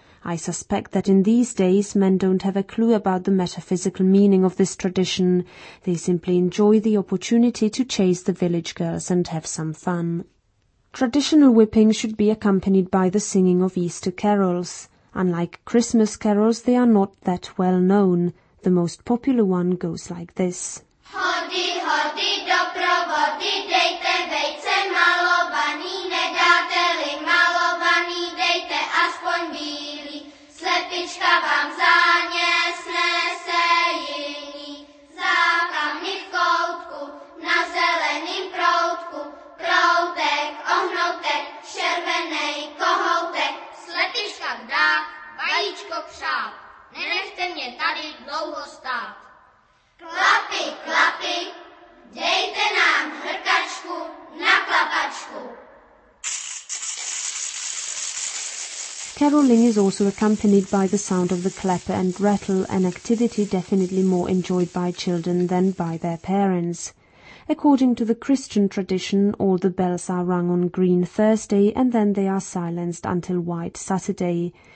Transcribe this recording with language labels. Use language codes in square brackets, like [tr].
[en] I suspect that in these days men don't have a clue about the metaphysical meaning of this tradition. They simply enjoy the opportunity to chase the village girls and have some fun. Traditional whipping should be accompanied by the singing of Easter carols. Unlike Christmas carols, they are not that well known. The most popular one goes like this. [cs] Hodi, hodi, doprovodi, dejte vejce malovaný, nedáte-li malovaný, dejte aspoň bílý, slepička vám za ně snese jiný. Za kamny v koutku, na zeleným proutku, proutek, ohnoutek, červenej kohoutek, slepička vdák, vajíčko přát. Nenechte mě tady dlouho stát. Klapy, klapy, dejte nám hrkačku na klapačku. [en] Caroling is also accompanied by the sound of the clapper and rattle, an activity definitely more enjoyed by children than by their parents. According to the Christian tradition, all the bells are rung on Green Thursday and then they are silenced until White Saturday.